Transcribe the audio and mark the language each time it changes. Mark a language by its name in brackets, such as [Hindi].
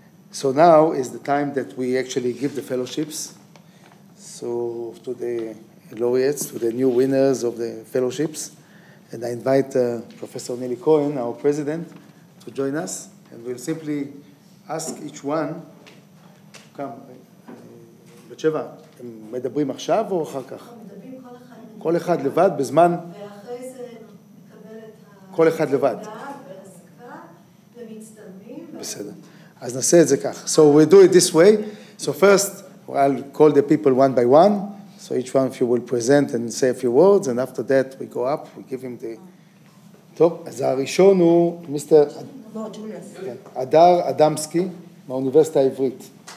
[English] So now is the time that we actually give the fellowships. So to the laureates, to the new winners of the fellowships. And I invite Professor Nili Cohen, our president, to join us. And we'll simply ask each one to come. [Hebrew] Bacheva, הם מדברים עכשיו או אחר כך? כל אחד לבד בזמן. ואחרי זה מקבל את כל אחד לבד. ומצטלמים. בסדר. אז נעשה את זה כך. [English] So we do it this way. So first, I'll call the people one by one. So each one of you will present and say a few words, and after that we go up, we give him the... [Hebrew] טוב, אז הראשון הוא מיסטר... אדר אדמסקי, מהאוניברסיטה העברית.